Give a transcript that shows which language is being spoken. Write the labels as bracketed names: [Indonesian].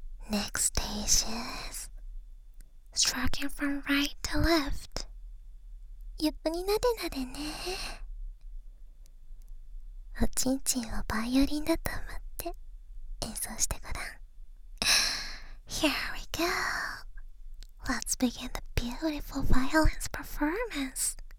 [English] Next stage is striking from right to left. [Japanese] ゆっくりなでなでね。おちんちんをバイオリンだと思って演奏してごらん。 [English] Here we go. Let's begin the beautiful violin's performance.